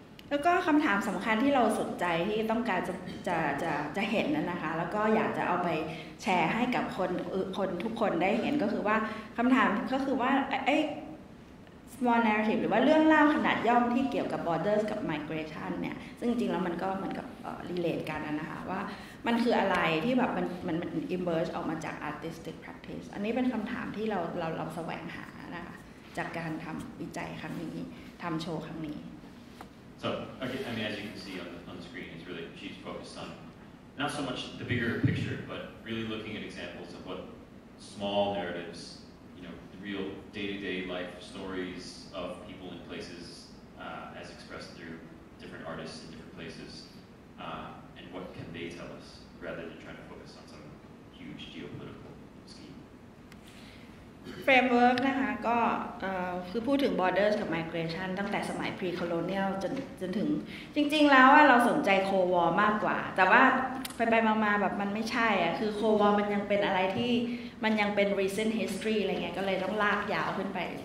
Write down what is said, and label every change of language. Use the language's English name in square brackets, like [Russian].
[Thai] แล้วก็คำถามสำคัญที่เราสนใจที่ต้องการจะเห็นนะคะแล้วก็อยากจะเอาไปแชร์ให้กับคนทุกคนได้เห็นก็คือว่าคำถามก็คือว่าไอ้ [English] small narrative [Thai] หรือว่าเรื่องเล่าขนาดย่อมที่เกี่ยวกับ borders กับ migration เนี่ยซึ่งจริงแล้วมันก็เหมือนกับ relate กันนะคะว่ามันคืออะไรที่แบบมัน emerge ออกมาจาก [English] artistic practice [Thai] อันนี้เป็นคำถามที่เราแสวงหาจากการทำวิจัยครั้งนี้ทำโชว์ครั้งนี้ [English] So, okay, I mean, as you can see on the screen, it's really, she's focused on not so much the bigger picture, but really looking at examples of what small narratives, you know, the real day-to-day life stories of people in places as expressed through different artists in different places, and what can they tell us, rather than trying to focus on some huge geopolitical. [Thai] Framework นะคะก็คือพูดถึง borders กับ migration ตั้งแต่สมัย pre-colonial จนถึงจริงๆแล้วเราสนใจ Cold War มากกว่าแต่ว่าไปๆมาๆแบบมันไม่ใช่อ่ะคือ Cold War มันยังเป็นอะไรที่มันยังเป็น [English] recent history [Thai] อะไรเงี้ยก็เลยต้องลากยาวขึ้นไป